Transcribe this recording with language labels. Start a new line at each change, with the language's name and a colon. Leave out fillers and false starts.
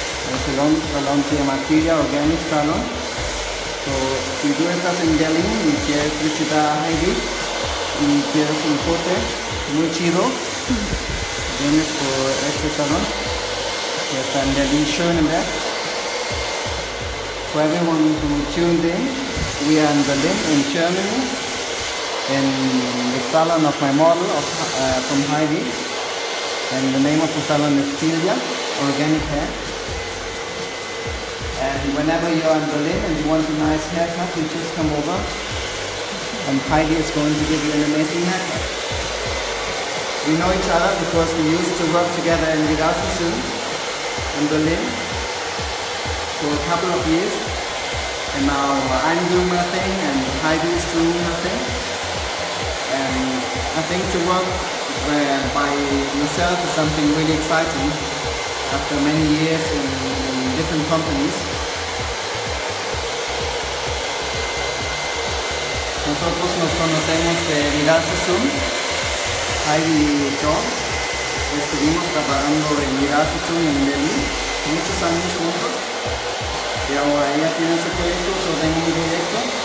Spanish: El salón se llama Kiria Organic Salon. So, si tú estás en Berlín y quieres visitar a Heidi y quieres un corte muy chido, vienes por este salón, que está en Berlín Schöneberg.
English: For everyone who tuned in, we are in Berlin, in Germany, in the salon of my model, from Heidi. And the name of the salon is Kilia, Organic Hair. And whenever you are in Berlin and you want a nice haircut, you just come over. And Heidi is going to give you an amazing haircut. We know each other because we used to work together in Wiedersehen, in Berlin, for a couple of years. And now I'm doing my thing and Heidi is doing her thing. And I think to work by yourself is something really exciting after many years in different companies.
Spanish: Nosotros nos conocemos de Wiedersehen, Heidi y yo. Estuvimos trabajando en Wiedersehen en Berlin muchos años juntos. Y ahora ella tiene su proyecto, yo tengo mi proyecto.